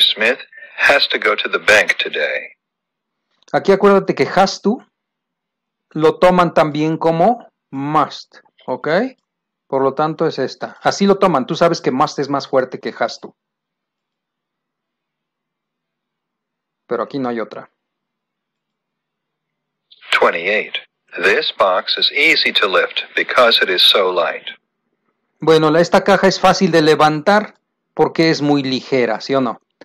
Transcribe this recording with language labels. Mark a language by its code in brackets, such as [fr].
[en] Smith has to go to the bank today. [es] Aquí acuérdate que has to lo toman también como must, ¿ok? Por lo tanto, es esta. Así lo toman. Tú sabes que must es más fuerte que has to. Pero aquí no hay otra. 28. [en] This box is easy to lift because it is so light. [es] Bueno, esta caja es fácil de levantar porque es muy ligera, ¿sí o no?